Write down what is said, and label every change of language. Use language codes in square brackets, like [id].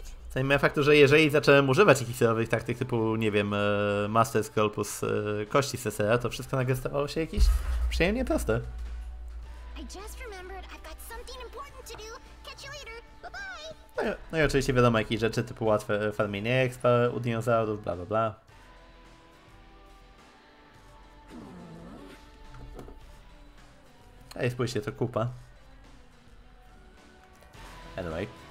[pl] Zanim miałem faktu, że jeżeli zacząłem używać jakichś surowych taktyk typu, nie wiem, Master Scroll plus kości CCR, to wszystko nagle stawało się jakieś przyjemnie proste. [en] I just remembered I've got something important to do. Catch you later. Bye bye. [pl] No i oczywiście wiadomo, jakieś rzeczy typu łatwe farmienie expa u dinozaurów, bla bla bla. Ej, spójrzcie, to kupa. [en] Anyway.